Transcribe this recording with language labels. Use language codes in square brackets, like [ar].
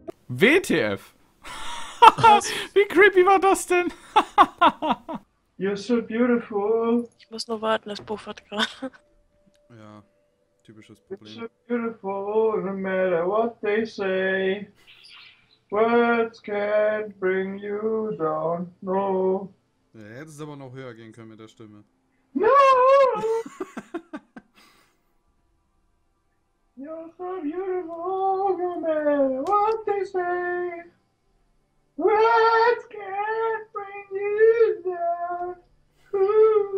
[de] WTF! Wie creepy war das denn? [en] You're so beautiful. [de] Ich muss nur warten, es buffert gerade. Ja. Typisches Problem. [en] It's so beautiful, no matter what they say. Words can't bring you down, no. [de] Ja, hätte es aber noch höher gehen können mit der Stimme. [en] No! You're so beautiful, no matter what they say. Words can't bring you down.